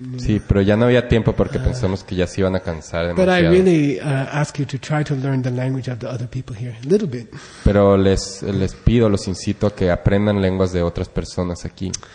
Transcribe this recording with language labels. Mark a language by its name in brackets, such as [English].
[Spanish] Sí, pero ya no había tiempo porque pensamos que ya se iban a cansar demasiado. [English] But I really ask you to try to learn the language of the other people here a little bit. [Spanish] Pero les pido, los incito a que aprendan lenguas de otras personas aquí.